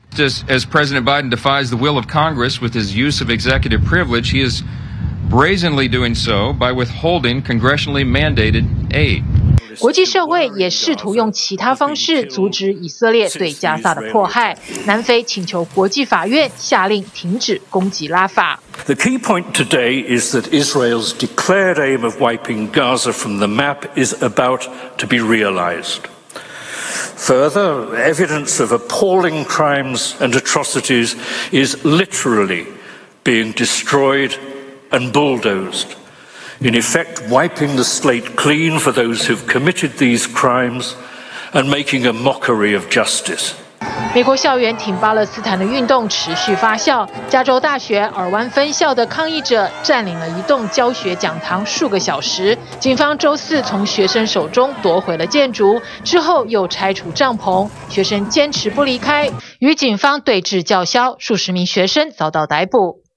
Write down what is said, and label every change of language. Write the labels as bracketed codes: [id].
[en] Just as President Biden defies the will of Congress with his use of executive privilege, he is brazenly doing so by withholding congressionally mandated aid. [zh] 国际社会也试图用其他方式阻止以色列对加萨的迫害。南非请求国际法院下令停止攻击拉法。 [en] The key point today is that Israel's declared aim of wiping Gaza from the map is about to be realized. Further, evidence of appalling crimes and atrocities is literally being destroyed and bulldozed. In effect, wiping the slate clean for those who've committed these crimes and making a mockery of justice. [zh] 美国校园挺巴勒斯坦的运动持续发酵，加州大学尔湾分校的抗议者占领了一栋教学讲堂数个小时，警方周四从学生手中夺回了建筑，之后又拆除帐篷，学生坚持不离开，与警方对峙叫嚣，数十名学生遭到逮捕。